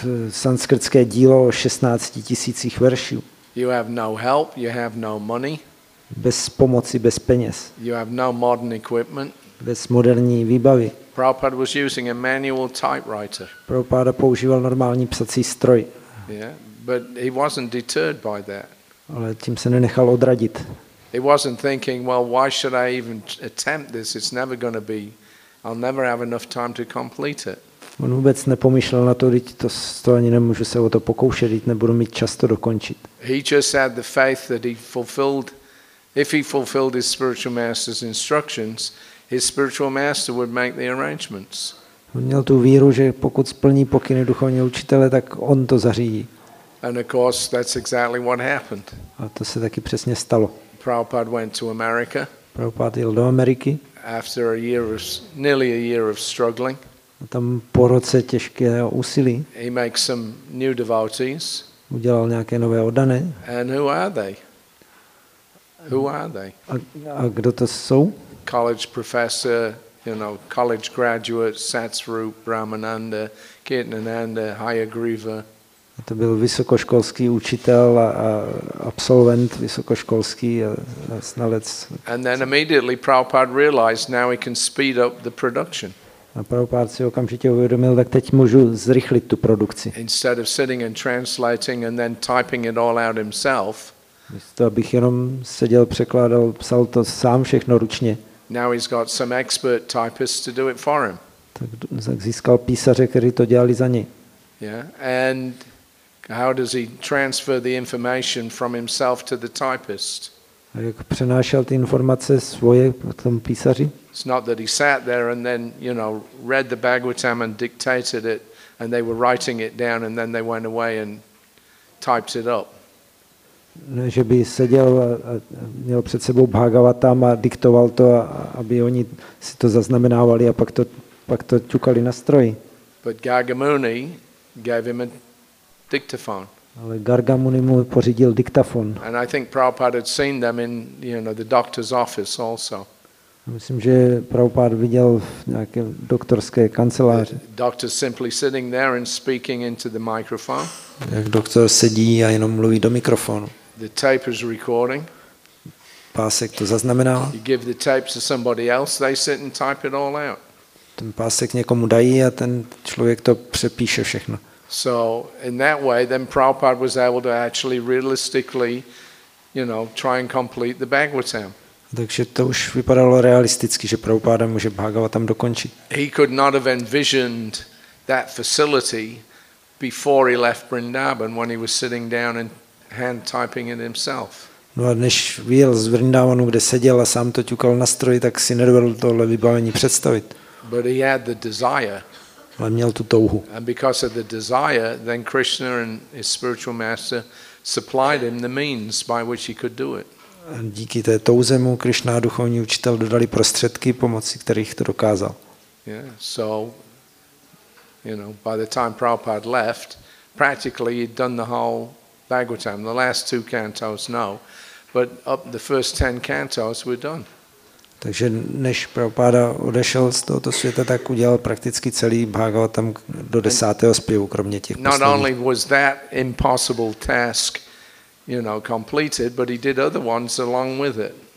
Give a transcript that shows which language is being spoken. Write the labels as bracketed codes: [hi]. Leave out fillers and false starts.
[cs] sanskrtské dílo o 16 tisících veršů. [en] You have no help, you have no money. [cs] Bez pomoci, bez peněz. [en] You have no modern equipment. [cs] Bez moderní výbavy. [en] Prabhupada was using a manual typewriter. [cs] Prabhupada používal normální psací stroj. [en] Yeah, but he wasn't deterred by that. [cs] Ale tím se nenechal odradit. [en] He wasn't thinking, well, why should I even attempt this? It's never going to be. I'll never have enough time to complete it. [cs] On vůbec nepomýšlel na to, že to ani nemůžu se o to pokoušet, že nebudu mít čas to dokončit. [en] He just had the faith that he fulfilled, if he fulfilled his spiritual master's instructions, his spiritual master would make the arrangements. [cs] On měl tu víru, že pokud splní pokyny duchovního učitele, tak on to zařídí. [en] And of course, that's exactly what happened. [cs] A to se taky přesně stalo. [en] Prabhupada went to America. [cs] Prabhupada jel do Ameriky. [en] After a year of, nearly a year of struggling. [cs] A tam po roce těžkého úsilí. [en] He makes some new devotees. [cs] Udělal nějaké nové oddané. [en] And who are they? Who are they? [cs] A kdo to jsou? [en] College professor, you know, college graduate, Satsrup, Brahmananda, Kirtananda, Hayagriva. [cs] A to byl vysokoškolský učitel a absolvent vysokoškolský a znalec. [en] And then immediately Prabhupada realized now he can speed up the production. [cs] A Prabhupada si okamžitě uvědomil, tak teď můžu zrychlit tu produkci. [en] Instead of sitting and translating and then typing it all out himself. [cs] Místo abych jenom seděl, překládal, psal to sám všechno ručně. [en] Now he's got some expert typists to do it for him. [cs] Tak získal písaře, kteří to dělali za něj. [en] Yeah, and how does he transfer the information from himself to the typist? [cs] A jak přenášel ty informace svoje tomu písaři? [en] It's not that he sat there and then, you know, read the Bhagavatam and dictated it and they were writing it down and then they went away and typed it up. [cs] Ne, že by seděl a měl před sebou Bhagavatam a diktoval to, aby oni si to zaznamenávali a pak to ťukali na stroji. [en] But Gargamuni gave him a dictaphone. [cs] Ale Gargamuni mu pořídil diktafon. [en] And I think Prabhupada had seen them in, you know, the doctor's office also. [cs] Myslím, že Prabhupada viděl v nějaké doktorské kanceláři. [en] Doctor simply sitting there and speaking into the microphone. [cs] Jak doktor sedí a jenom mluví do mikrofonu. [en] The tape is recording. [cs] Pásek to zaznamenal. [en] You give the tape to somebody else, they sit and type it all out. [cs] Ten pásek někomu dají a ten člověk to přepíše všechno. [en] So in that way then Prabhupada was able to actually realistically, you know, try and complete the Bhagavatam. [cs] Takže to už vypadalo realisticky, že Prabhupada může Bhagavatam dokončit. [en] He could not have envisioned that facility before he left Vrindavan when he was sitting down and hand typing it himself. [cs] No a než vyjel z Vrindavanu, kde seděl a sám to ťukal na stroji, tak si nedovedl tohle vybavení představit. [en] But he had the desire. [cs] Ale měl tu touhu. [en] And because of the desire, then Krishna and his spiritual master supplied him the means by which he could do it. [cs] A díky té touze mu Krishna a duchovní učitel dodali prostředky, pomocí kterých to dokázal. [en] Yeah, so, you know, by the time Prabhupada left, practically he'd done the whole Bhagavatam, the last two cantos, no, but up the first 10 cantos were done. [cs] Takže než Prabhupada odešel z tohoto světa, tak udělal prakticky celý Bhagavatam do 10. zpěvu, kromě těch posledních. [en] Not only was that impossible task, you know, completed, but he did other ones along with it.